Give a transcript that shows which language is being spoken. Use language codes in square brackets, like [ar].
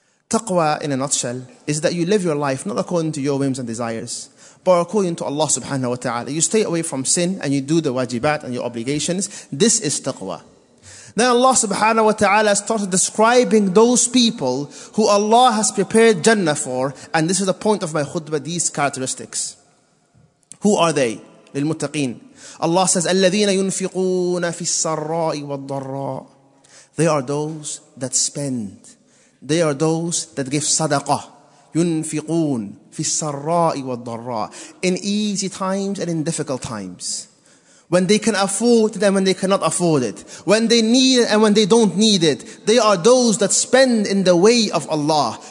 [en] Taqwa, in a nutshell, is that you live your life not according to your whims and desires, but according to Allah subhanahu wa ta'ala. You stay away from sin and you do the wajibat and your obligations. This is taqwa. Then Allah subhanahu wa ta'ala started describing those people who Allah has prepared Jannah for. And this is the point of my khutbah, these characteristics. Who are they? للمتقين. Allah says, [ar] الَّذِينَ يُنفِقُونَ فِي السَّرَّاءِ وَالضَّرَّاءِ. [en] They are those that spend. They are those that give sadaqah. [ar] Yunfiqoon fi sarra'i wa dharra. [en] In easy times and in difficult times. When they can afford it and when they cannot afford it. When they need it and when they don't need it. They are those that spend in the way of Allah.